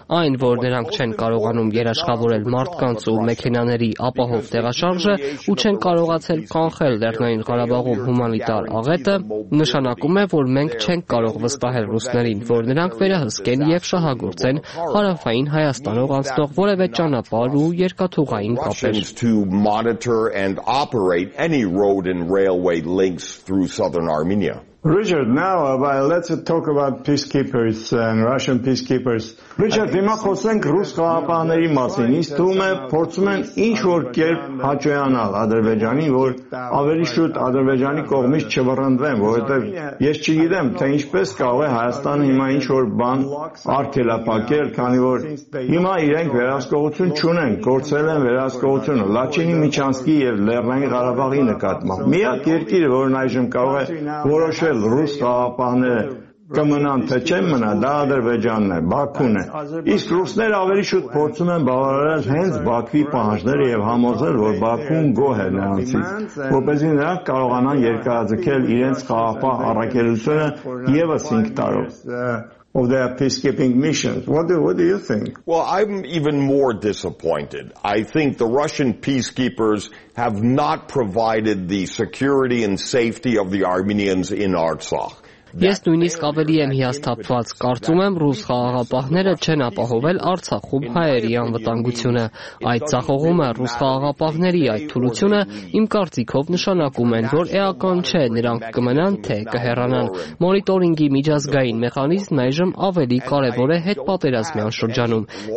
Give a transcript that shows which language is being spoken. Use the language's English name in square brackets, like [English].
[Armenian] այն, որ նրանք չեն կարողանում երաշխավորել մարդկանց ու մեքենաների ապահով տեղաշարժը ու չեն կարողացել կանխել Լեռնային Ղարաբաղում հումանիտար աղետը, նշանակում է, որ մենք չենք կարող վստահել ռուսներին, որ նրանք վերահսկեն եւ շահագործեն հարավային Հայաստանով անցնող որևէ ճանապարհ ու երկաթուղային կապեր. [English] Russians to monitor and operate any road and railway links through southern Armenia. Richard, now let's talk about peacekeepers and Russian peacekeepers. [Armenian] Richard, հիմա խոսենք ռուս խաղապահների մասին։ Ինձ թվում է փորձում են ինչ որ կերպ հաջողանալ Ադրբեջանին, որ ավելի շուտ Ադրբեջանի կողմից չվռնդվեն, որովհետև ես չգիտեմ, թե ինչպես կարող է Հայաստանը հիմա ինչ որ բան արգելափակել, քանի որ հիմա իրենք վերահսկողություն չունեն, կորցել են վերահսկողությունը Լաչինի Միջանցքի եւ Լեռնային Ղարաբաղի նկատմամբ։ Միակ երկիրը, որն այժմ կարող է որոշել ռուս խաղապահները կմնան, թե չեն մնա, դա Ադրբեջանն է, Բաքուն է։ Իսկ ռուսները ավելի շուտ փորձում են բավարարել հենց Բաքվի պահանջները եւ համոզել, որ Բաքուն գոհ է նրանցից, որպեսզի նրանք կարողանան երկարաձգել իրենց խաղապահ առաքելությունը եւս 5 տարով։ [English] Of their peacekeeping missions. What do you think? Well, I'm even more disappointed. I think the Russian peacekeepers have not provided the security and safety of the Armenians in Artsakh. [Armenian] Ես նույնիսկ ավելի եմ հիասթափված, կարծում եմ ռուս խաղաղապահները չեն ապահովել Արցախում հայերի անվտանգությունը։ Այդ ցախողումը, ռուս խաղաղապահների այդ թուլությունը իմ կարծիքով նշանակում են, որ էական չէ նրանք կմնան թե կհեռանան։ Մոնիտորինգի միջազգային մեխանիզմն այժմ ավելի կարևոր է հետպատերազմյան շրջանում։